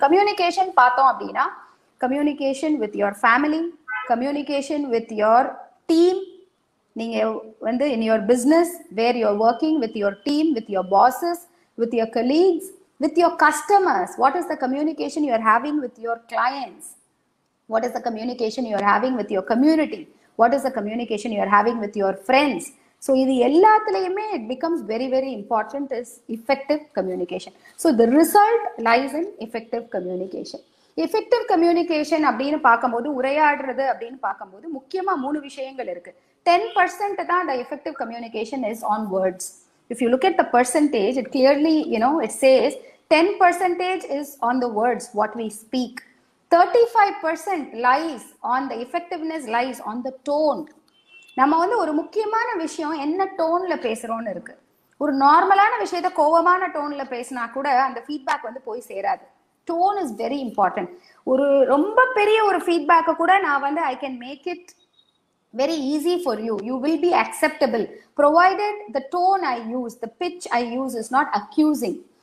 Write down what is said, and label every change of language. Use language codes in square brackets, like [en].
[ta] Communication பார்த்தோம் அப்படின்னா [en] communication with your family, communication with your team, [ta] நீங்க வந்து [en] In your business, where your working, with your team, with your bosses, with your colleagues, with your customers. What is the communication you are having with your clients? What is the communication you are having with your community? What is the communication you are having with your friends? So, [ta] இது எல்லாத்துலயுமே [en] it becomes very, very important is effective communication. So, the result lies in effective communication. Effective communication [ta] அப்படின்னு பார்க்கும்போது, உரையாடுறது அப்படின்னு பார்க்கும்போது முக்கியமாக மூணு விஷயங்கள் இருக்கு. [en] 10% [ta] தான் [en] the effective communication is on words. If you look at the percentage, it clearly, you know, it says 10% is on the words, what we speak. 35% lies on the effectiveness lies on the tone. [ta] நம்ம வந்து ஒரு முக்கியமான விஷயம் என்ன டோன்ல பேசுறோம் இருக்கு. ஒரு நார்மலான விஷயத்த கோபமான டோன்ல பேசினா கூட அந்த ஃபீட்பேக் வந்து போய் சேராது. [en] Tone is very important. [ta] ஒரு ரொம்ப பெரிய ஒரு ஃபீட்பேக்கை கூட நான் வந்து [en] I can make it very easy for you, you will be acceptable, provided the tone I use, the pitch I use is not accusing.